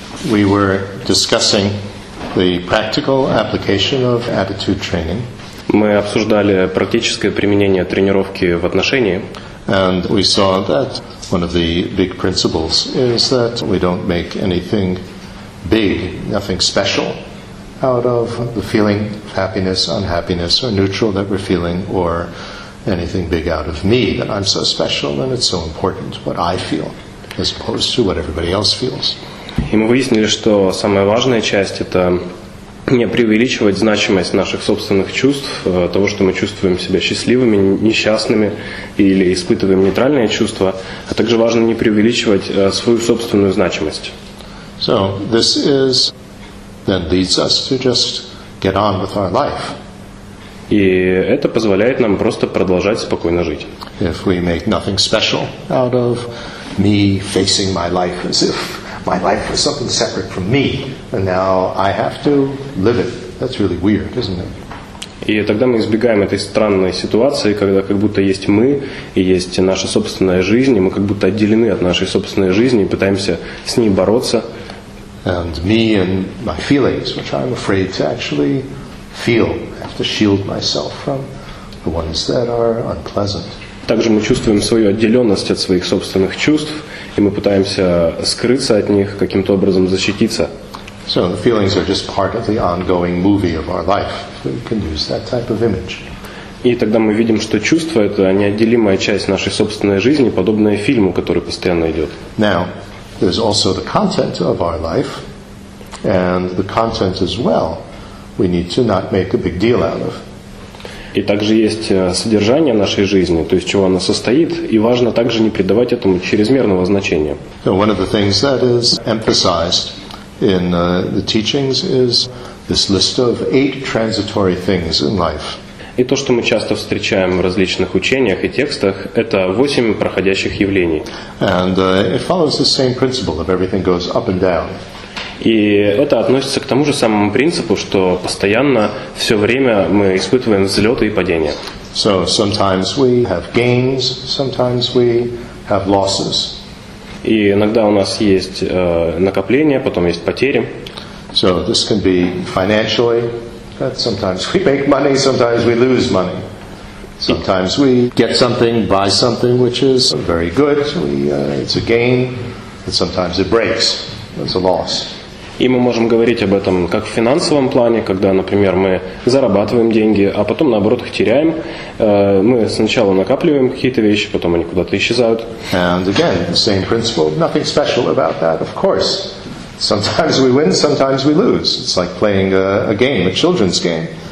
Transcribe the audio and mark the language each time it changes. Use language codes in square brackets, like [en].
[en] We were discussing the practical application of attitude training. [ru] Мы обсуждали практическое применение тренировки в отношении. [en] And we saw that one of the big principles is that we don't make anything big, nothing special, out of the feeling of happiness, unhappiness, or neutral that we're feeling, or anything big out of me, that I'm so special and it's so important what I feel, as opposed to what everybody else feels. [ru] И мы выяснили, что самая важная часть — это не преувеличивать значимость наших собственных чувств, того, что мы чувствуем себя счастливыми, несчастными или испытываем нейтральные чувства, а также важно не преувеличивать свою собственную значимость. [en] So this is then leads us to just get on with our life. [ru] И это позволяет нам просто продолжать спокойно жить. [en] If we make nothing special out of me facing my life as if my life was something separate from me, and now I have to live it. That's really weird, isn't it? [ru] И тогда мы избегаем этой странной ситуации, когда как будто есть мы и есть наша собственная жизнь, и мы как будто отделены от нашей собственной жизни и пытаемся с ней бороться. [en] And me and my feelings, which I'm afraid to actually feel, I have to shield myself from the ones that are unpleasant. [ru] Также мы чувствуем свою отделенность от своих собственных чувств, и мы пытаемся скрыться от них, каким-то образом защититься. [en] So the feelings are just part of the ongoing movie of our life. We can use that type of image. [ru] И тогда мы видим, что чувства — это неотделимая часть нашей собственной жизни, подобная фильму, который постоянно идет. [en] Now, there's also the content of our life, and the content as well we need to not make a big deal out of. [ru] И также есть содержание нашей жизни, то есть чего она состоит, и важно также не придавать этому чрезмерного значения. [en] So one of the things that is emphasized in the teachings is this list of 8 transitory things in life. [ru] И то, что мы часто встречаем в различных учениях и текстах, это 8 проходящих явлений. [en] And it follows the same principle of everything goes up and down. [ru] И это относится к тому же самому принципу, что постоянно, все время мы испытываем взлеты и падения. [en] So sometimes we have gains, sometimes we have losses. [ru] И иногда у нас есть накопления, потом есть потери. [en] So this can be financially, that sometimes we make money, sometimes we lose money. Sometimes we get something, buy something, which is very good, it's a gain, and sometimes it breaks, it's a loss. [ru] И мы можем говорить об этом как в финансовом плане, когда, например, мы зарабатываем деньги, а потом, наоборот, их теряем. Мы сначала накапливаем какие-то вещи, потом они куда-то исчезают. [en] And again, the same principle, nothing special about that, of course. Sometimes we win, sometimes we lose. It's like playing a game, a children's game.